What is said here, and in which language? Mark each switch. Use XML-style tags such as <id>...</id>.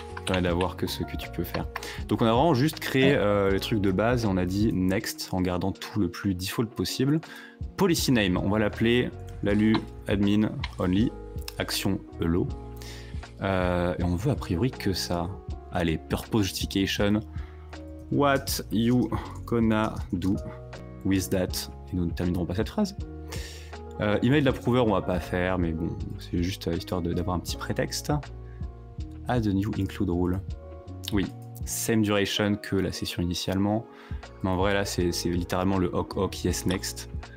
<fr>Ouais, d'avoir que ce que tu peux faire. Donc on a vraiment juste créé les trucs de base et on a dit next en gardant tout le plus default possible.</fr> <en>Policy name,</en> <fr>on va l'appeler l'alu</fr> <en>admin only action allow.</en> <fr>Et on veut a priori que ça. Allez,</fr> <en>purpose justification. What you gonna do with that?</en> <fr>Et nous ne terminerons pas cette phrase.</fr> <en>Email approver,</en> <fr>on va pas faire, mais bon, c'est juste histoire d'avoir un petit prétexte.</fr> <en>Add a new include rule.</en> <fr>Oui,</fr> <en>same duration</en> <fr>que la session initialement. Mais en vrai, là, c'est littéralement le hoc hoc</fr> <en>yes next.</en>